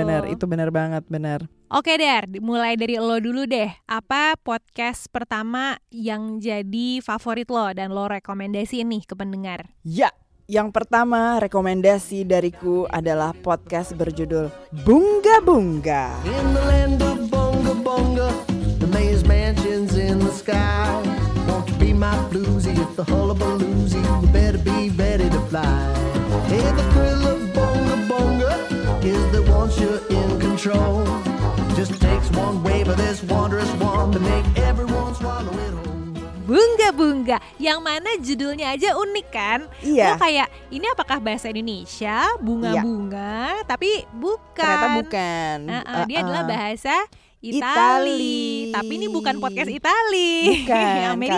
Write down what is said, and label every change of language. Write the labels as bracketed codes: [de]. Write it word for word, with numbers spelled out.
[id] bener, itu bener banget bener. Oke Der, mulai dari lo dulu deh. Apa podcast pertama yang jadi favorit lo dan lo rekomendasi nih ke pendengar? Ya, yang pertama rekomendasi dariku adalah podcast berjudul Bunga Bunga. [en] In the land of Bonga Bonga, the mayor's mansion's in the sky. Won't you be my bluesy? If the hullabaloozy, you better be ready to fly. Hey, the thrill of Bonga Bonga is that once you're in control, just takes one wave of this wondrous wand to make everyone swallow it whole. [id] Bunga-bunga, yang mana judulnya aja unik kan? Lo Iya, kayak, ini apakah bahasa Indonesia? Bunga-bunga, tapi bukan. ternyata bukan. Uh-uh, dia Uh-uh. adalah bahasa Itali. Itali. Tapi ini bukan podcast Itali. Bukan, Amerika.